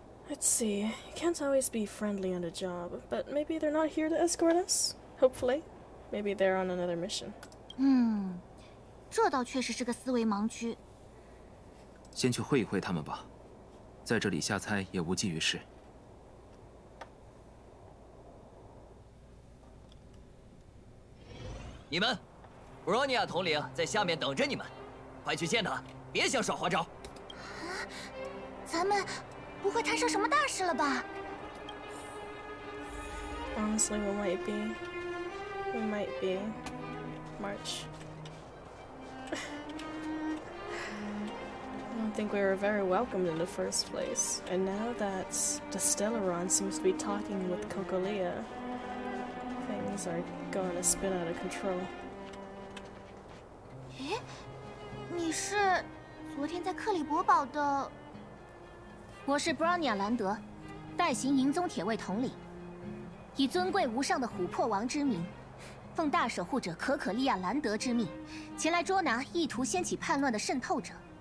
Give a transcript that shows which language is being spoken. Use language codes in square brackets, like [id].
[en] Let's see, you can't always be friendly on the job, but maybe they're not here to escort us? Hopefully. Maybe they're on another mission. [zh] 这倒确实是个思维盲区。先去会一会他们吧，在这里瞎猜也无济于事。你们，布罗尼亚统领在下面等着你们，快去见他，别想耍花招。咱们不会摊上什么大事了吧 [en] ？Honestly, we might be. We might be. March. I don't think we were very welcomed in the first place, and now that Destelleron seems to be talking with Cocolia, things are going to spin out of control. [zh] 你是昨天在克里伯堡的？我是 Bronia 兰德，代行银宗铁卫统领，以尊贵无上的琥珀王之名，奉大守护者可可利亚兰德之命，前来捉拿意图掀起叛乱的渗透者。